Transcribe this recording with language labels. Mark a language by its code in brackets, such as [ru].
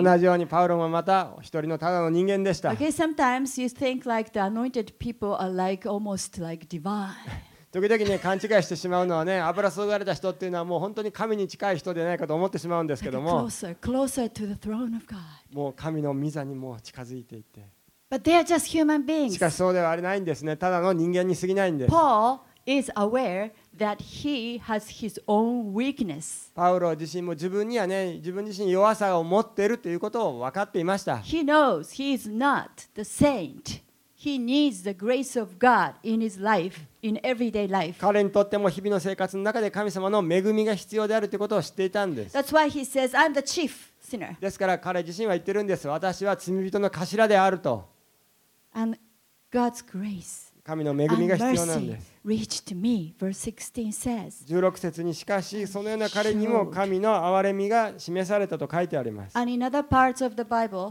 [ja] 同じようにパウロもまた一人のただの人間でした。 [en] Okay, sometimes you think like the anointed people are like almost like divine. [ja] 時々ね、勘違いしてしまうのはね、油注がれた人っていうのはもう本当に神に近い人でないかと思ってしまうんですけども、 [en] closer to the throne of God. [ja] もう神の御座にもう近づいていて、 [en] But they are just human beings. [ja] しかしそうではありないんですね。ただの人間に過ぎないんです。 [en] Paul is aware that he has his own weakness. [ja] パウロ自身も自分にはね、自分自身弱さを持っているということを分かっていました。 [en] He knows he is not the saint. He needs the grace of God in his life, in everyday life. [ja] 彼にとっても日々の生活の中で神様の恵みが必要であるということを知っていたんです。 [en] That's why he says, I'm the chief sinner. [ja] ですから彼自身は言ってるんです。私は罪人の頭であると。 [en] And God's grace. [ja] 神の恵みが必要なんです。 [en] reach to me, verse 16 [ja] says, 16節にしかしそのような彼にも神の憐れみが示されたと書いてあります。 [en] and in other parts of the Bible,